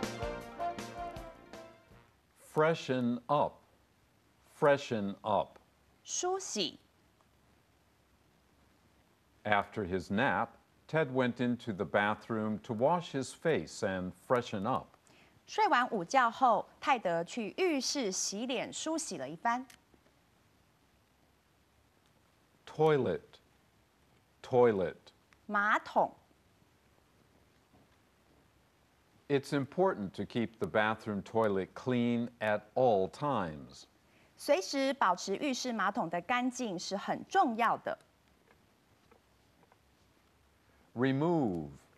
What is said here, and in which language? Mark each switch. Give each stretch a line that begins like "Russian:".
Chinese: 那我们现在就进入我们的单字与片语。
English: Freshen up, freshen up.
Chinese: 梳洗.
English: After his nap, Ted went into the bathroom to wash his face and freshen up.
Chinese: 睡完午觉后，泰德去浴室洗脸，梳洗了一番。Toilet,
English: toilet.
Chinese: 马桶。It's
English: important to keep the bathroom toilet clean at all times.
Chinese: 随时保持浴室马桶的干净是很重要的。Remove,